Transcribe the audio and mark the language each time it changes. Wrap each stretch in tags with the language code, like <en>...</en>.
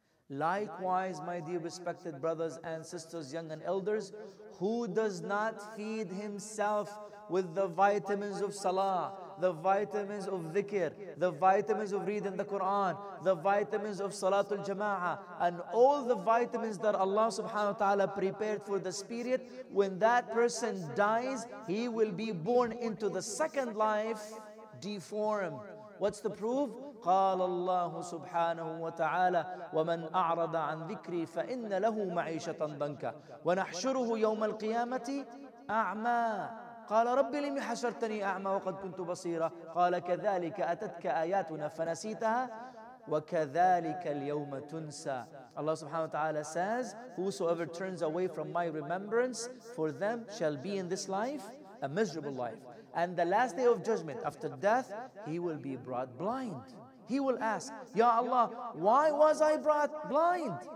<en>Likewise, my dear respected brothers and sisters, young and elders, who does not feed himself with the vitamins of salah, the vitamins of dhikr, the vitamins of reading the Quran, the vitamins of salatul jama'ah, and all the vitamins that Allah subhanahu wa ta'ala prepared for the spirit, when that person dies, he will be born into the second life deformed. What's the proof?</en> <ar>قال الله سبحانه وتعالى ومن أعرض عن ذكري فإن له معيشة ضنكا ونحشره يوم القيامة أعمى قال ربي لم حشرتني أعمى وقد كنت بصيرا قال كذلك أتتك آياتنا فنسيتها وكذلك اليوم تنسى.</ar> <en>Allah subhanahu wa ta'ala says, whosoever turns away from my remembrance, for them shall be in this life a miserable life. And the last day of judgment, after death, he will be brought blind. He will ask, Ya Allah, why was I brought blind?</en>